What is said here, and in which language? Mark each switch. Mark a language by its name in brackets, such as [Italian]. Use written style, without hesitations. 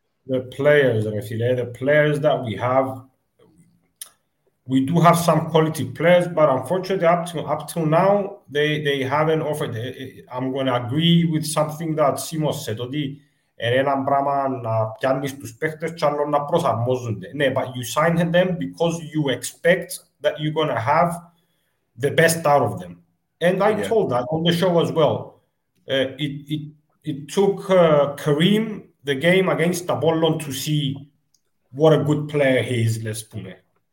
[English] The players, Refile, the players that we have, we do have some quality players, but unfortunately, up till now, they haven't offered. I'm going to agree with something that Simos said. [Greek] Ότι ένα πράγμα να πιάνεις τους παίχτες και άλλο να προσαρμόζονται. [English] Ναι, but you sign them because you expect that you're going to have the best out of them. And I told that on the show as well. It took Karim... the game against Apollon to see what a good player he is, let's put it.